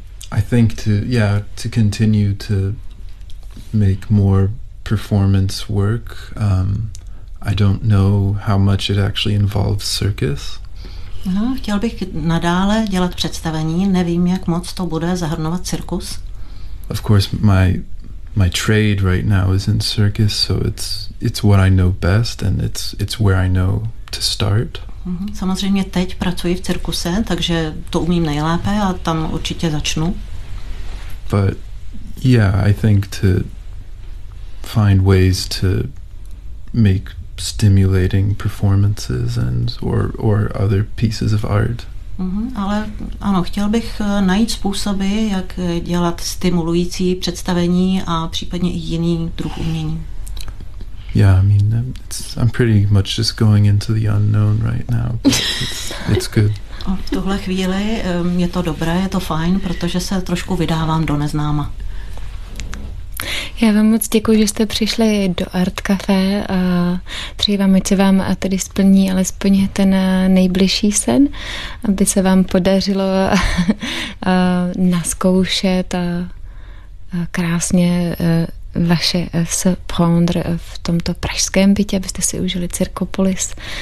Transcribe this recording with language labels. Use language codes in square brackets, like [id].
[en] I think to continue to make more performance work. I don't know how much it actually involves circus. [cs] No, chtěl bych nadále dělat představení. Nevím, jak moc to bude zahrnovat cirkus. [en] Of course, my trade right now is in circus, so it's what I know best and it's where I know to start. [cs] Samozřejmě teď pracuji v cirkuse, takže to umím nejlépe a tam určitě začnu. [en] But yeah, I think to find ways to make stimulating performances and or other pieces of art. [cs] Ale ano, chtěl bych najít způsoby, jak dělat stimulující představení a případně i jiný druh umění. [en] Yeah, I mean, I'm pretty much just going into the unknown right now. It's good. [cs] V tuhle chvíli je to dobré, je to fajn, protože se trošku vydávám do neznáma. Já vám moc děkuji, že jste přišli do Art Café a přeji vám, ať se vám a tedy splní alespoň ten nejbližší sen, aby se vám podařilo naskoušet a krásně vaše se prendre v tomto pražském bytě, abyste si užili Cirkopolis.